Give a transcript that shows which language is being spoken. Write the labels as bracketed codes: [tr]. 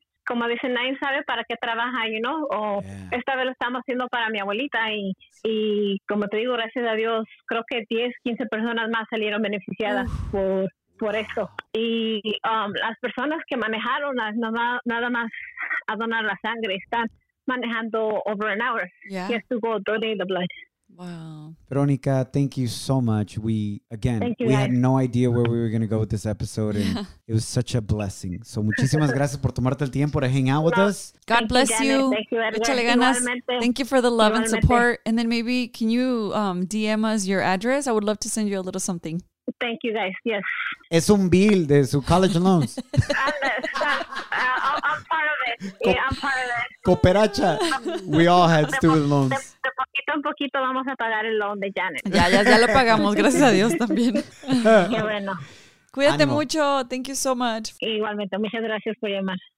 [es] Como dicen, nadie sabe para qué trabaja, [en] you know? [es] O yeah. Esta vez lo estamos haciendo para mi abuelita y como te digo, gracias a Dios, creo que 10, 15 personas más salieron beneficiadas por esto. Y las personas que manejaron nada más a donar la sangre están manejando [en] over an hour. Yeah. Yes, to go donate the blood. Wow. Veronica, thank you so much. We had no idea where we were going to go with this episode, and yeah. It was such a blessing. [es] So, muchísimas gracias por tomarte el tiempo [en] to hang out with us. God bless you. [es] Echale ganas. [en] Thank you for the love and support. And then maybe can you DM us your address? I would love to send you a little something. Thank you, guys. Yes. [es] Es un bill de su college loans. [en] I'm part of it. I'm part of it. [es] Cooperacha. [en] We all had student loans. [es] Poquito a poquito vamos a pagar el loan de Janet. Ya lo pagamos, gracias a Dios también. Qué bueno. Cuídate [en] Animal. [es] Mucho. [en] Thank you so much. [es] Igualmente, muchas gracias por llamar.